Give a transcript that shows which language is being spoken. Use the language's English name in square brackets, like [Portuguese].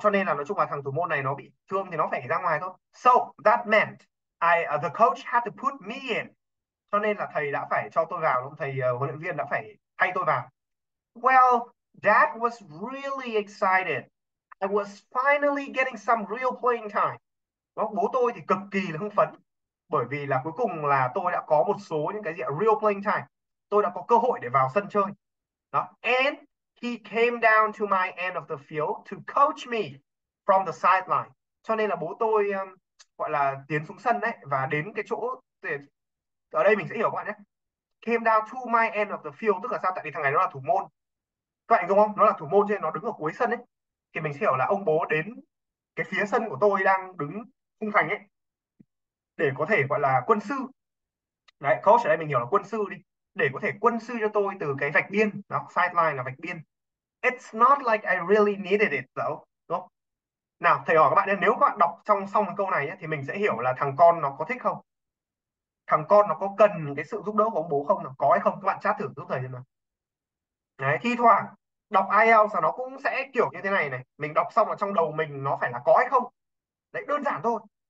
[Vietnamese] Cho nên là nói chung là thằng thủ môn này nó bị thương thì nó phải ra ngoài thôi. [English] So that meant the coach had to put me in. [Vietnamese] Cho nên là thầy đã phải cho tôi vào, thầy huấn luyện viên đã phải thay tôi vào. [English] Well, that was really excited. I was finally getting some real playing time. [Vietnamese] Đó, bố tôi thì cực kỳ là hưng phấn. Bởi vì là cuối cùng là tôi đã có một số những cái gì [English] real playing time. [Vietnamese] Tôi đã có cơ hội để vào sân chơi. Đó. [English] And he came down to my end of the field to coach me from the sideline. [Vietnamese] Cho nên là bố tôi gọi là tiến xuống sân đấy và đến cái chỗ để... ở đây mình sẽ hiểu các bạn nhé, [English] came down to my end of the field, [Vietnamese] tức là sao, tại vì thằng này nó là thủ môn, các bạn hiểu không, nó là thủ môn cho nên nó đứng ở cuối sân ấy, thì mình sẽ hiểu là ông bố đến cái phía sân của tôi đang đứng khung thành ấy để có thể gọi là quân sư đấy, coach ở đây mình hiểu là quân sư đi, để có thể quân sư cho tôi từ cái vạch biên đó, sideline là vạch biên. [English] It's not like I really needed it though. [Vietnamese] Nào, thầy hỏi các bạn nhé, nếu các bạn đọc trong xong cái câu này ấy, thì mình sẽ hiểu là thằng con nó có thích không? Thằng con nó có cần cái sự giúp đỡ của ông bố không? Nó có hay không? Các bạn chat thử giúp thầy nào. Đấy, thi thoảng đọc IELTS là nó cũng sẽ kiểu như thế này này. Mình đọc xong ở trong đầu mình nó phải là có hay không? Đấy, đơn giản thôi.